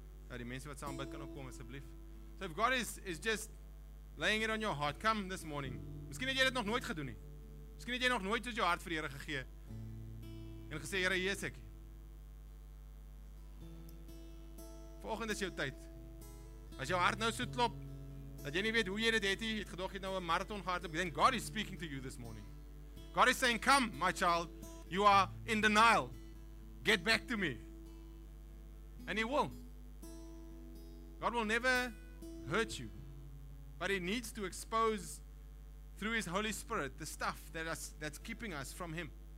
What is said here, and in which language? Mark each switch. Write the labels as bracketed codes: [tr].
[af] Ja, die mense wat saam bid kan ook kom, asseblief. [en] So if God is just laying it on your heart, come this morning. [af] Miskien het jy dit nog nooit gedoen nie. Miskien het jy nog nooit soos jou hart vir die Here gegee. En gesê, Here, hier is ek. Volgende is jou tyd. As jou hart nou so klop, dat jy nie weet hoe jy dit het, jy het gedog jy het nou 'n marathon gehad, ek dink [en] God is speaking to you this morning. God is saying, come, my child, you are in denial. Get back to me. And He will. God will never hurt you. But He needs to expose through His Holy Spirit the stuff that's keeping us from Him.